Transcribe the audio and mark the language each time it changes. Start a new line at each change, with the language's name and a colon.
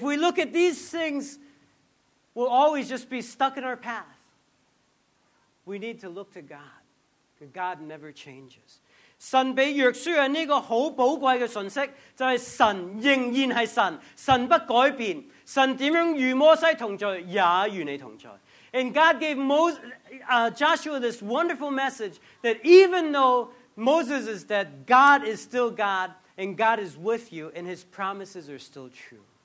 English: we look at these things, we'll always just be stuck in our path. We need to look to God, because God never changes.
Cantonese: 神俾约书亚呢个好宝贵嘅信息，就系神仍然系神，神不改变，神点样与摩西同在，也与你同在。
English: And God gave Joshua this wonderful message that even though Moses is dead, God is still God, and God is with you, and his promises are still true.